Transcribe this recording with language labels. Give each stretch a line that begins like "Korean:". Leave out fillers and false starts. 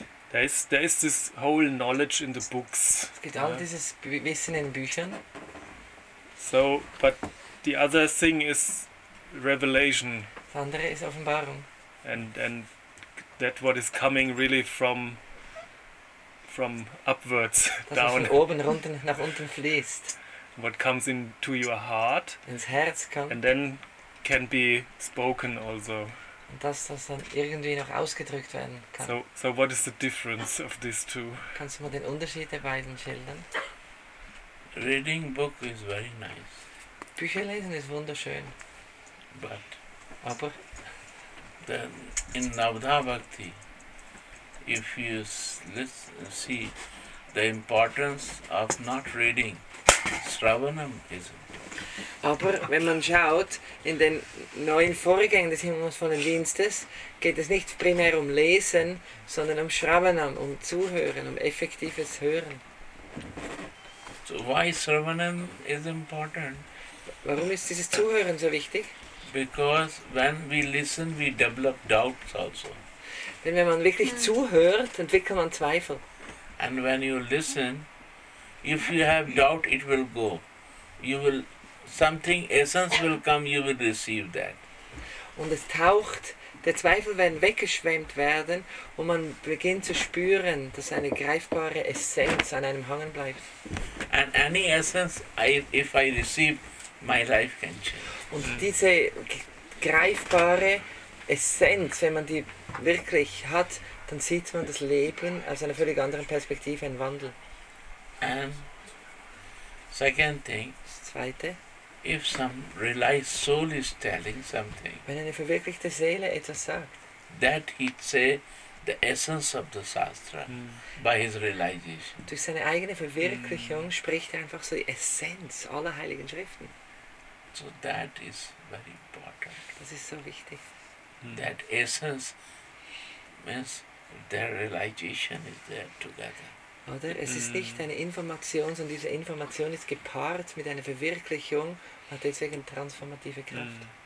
English: There is this whole knowledge in the books.
German: Es gibt all dieses Wissen in Büchern.
English: So, but the other thing is revelation.
German: Das andere ist Offenbarung.
English: And that what is coming really from upwards,
German: das,
English: down.
German: Das, was von oben runter nach unten fließt.
English: What comes into your heart.
German: Ins Herz kommt.
English: And then can be spoken also.
German: Und dass das dann irgendwie noch ausgedrückt werden kann.
English: So what is the difference of these two?
German: Kannst du mal den Unterschied der beiden schildern?
English: Reading book is very nice.
German: Bücher lesen ist wunderschön.
English: But
German: aber
English: then in Navadvati, if you see the importance of not reading, Shravanam is important.
German: Aber wenn man schaut, in den neuen Vorgängen des himmelvollen Dienstes geht es nicht primär um Lesen, sondern um Shravanam, um Zuhören, um effektives Hören.
English: So why Shravanam is important?
German: Warum ist dieses Zuhören so wichtig?
English: Because when we listen, we develop doubts also.
German: Denn wenn man wirklich zuhört, entwickelt man Zweifel.
English: And when you listen, if you have doubt, it will go. You will something essence will come, you will receive that.
German: Und es taucht, der Zweifel werden weggeschwemmt werden und man beginnt zu spüren, dass eine greifbare Essenz an einem hängen bleibt.
English: And any essence, if I receive, my life can change.
German: Und diese greifbare Essenz, wenn man die wirklich hat, dann sieht man das Leben aus einer völlig anderen Perspektive, einen Wandel.
English: And second thing,
German: das Zweite,
English: if some realized soul is telling something,
German: wenn eine verwirklichte Seele etwas sagt,
English: that he say the essence of the Shastra by his realization.
German: Durch seine eigene Verwirklichung spricht er einfach so die Essenz aller heiligen Schriften.
English: So that is very important.
German: Das ist so wichtig.
English: That essence means their realization is there together.
German: Oder es ist nicht eine Information, sondern diese Information ist gepaart mit einer Verwirklichung, hat deswegen transformative Kraft.